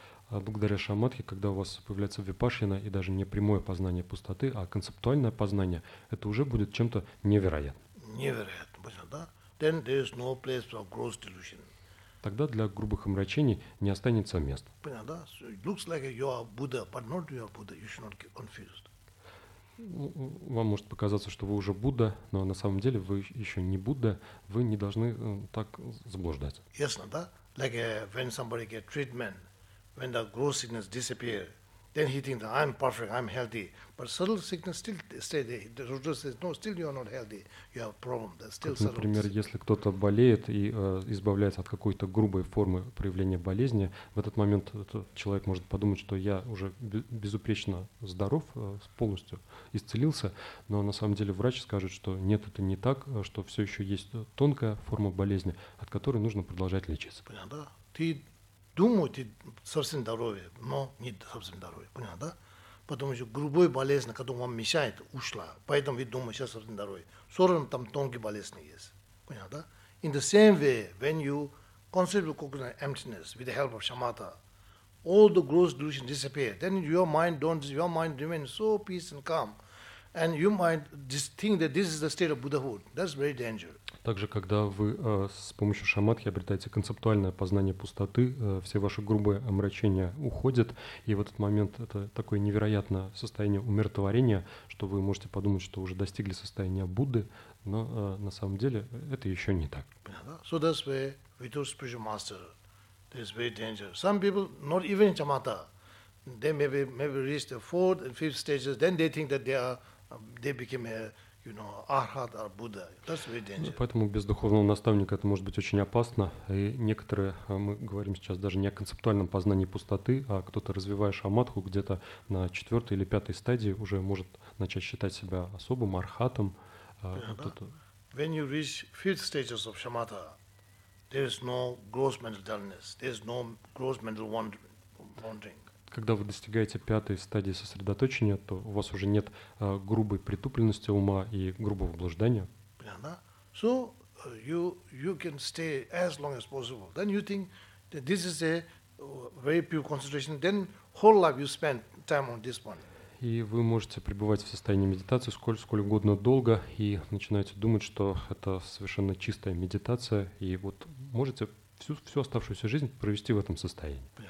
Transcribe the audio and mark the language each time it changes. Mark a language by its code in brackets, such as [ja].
[ru] Благодаря шамадхе, когда у вас появляется випашина и даже не прямое познание пустоты, а концептуальное познание, это уже будет чем-то невероятным. Невероятно, понятно, да? [en] Then there is no place for gross delusion. [ru] Тогда для грубых омрачений не останется места. Понятно, да? [en] So it looks like you are Buddha, but not you are Buddha. You should not get confused. [ru] Вам может показаться, что вы уже Будда, но на самом деле вы еще не Будда, вы не должны так заблуждать. Ясно, да? [en] Like when somebody get treatment, when the gross sickness disappear, then he thinks, I'm perfect, I'm healthy. But subtle sickness still stay there. The Rudra says, no, still you are not healthy. You have problem. That's still subtle. [ru] Например, если кто-то болеет и избавляется от какой-то грубой формы проявления болезни, в этот момент человек может подумать, что я уже безупречно здоров, полностью исцелился, но на самом деле врач скажет, что нет, это не так, что все еще есть тонкая форма болезни, от которой нужно продолжать лечиться. Понятно, да? Ты думаю, ты совсем здоровый, но не совсем здоровый. Понятно, да? Потому что грубой болезнь, которая вам мешает, ушла. Поэтому вы думаете, сейчас совсем здоровый. Все равно там тонкие болезни есть. Понятно, да? [en] In the same way, when you consider cognitive emptiness with the help of shamatha, all the gross delusions disappear. Then your mind remains so peace and calm. And you might just think that this is the state of Buddhahood. That's very dangerous. [ru] Также, когда вы с помощью шамадхи обретаете концептуальное познание пустоты, все ваши грубые омрачения уходят, и в этот момент это такое невероятное состояние умиротворения, что вы можете подумать, что уже достигли состояния Будды, но на самом деле это еще не так. [en] So that's why without spiritual master, there's very dangerous. Some people, not even in shamatha, they maybe reach the fourth and fifth stages, then they think that they became a you know, Arhat or Buddha. That's very dangerous. [ru] Поэтому без духовного наставника это может быть очень опасно. И некоторые, мы говорим сейчас даже не о концептуальном познании пустоты, а кто-то, развивая шамадху, где-то на четвертой или пятой стадии уже может начать считать себя особым архатом. [en] When you reach fifth stages of shamatha, there is no gross mental dullness, there is no gross mental wandering. [ru] Когда вы достигаете пятой стадии сосредоточения, то у вас уже нет грубой притупленности ума и грубого блуждания. [en] So you can stay as long as possible. Then you think that this is a very pure concentration. Then whole life you spend time on this one. [ru] И вы можете пребывать в состоянии медитации сколь угодно долго и начинаете думать, что это совершенно чистая медитация, и вот можете всю оставшуюся жизнь провести в этом состоянии.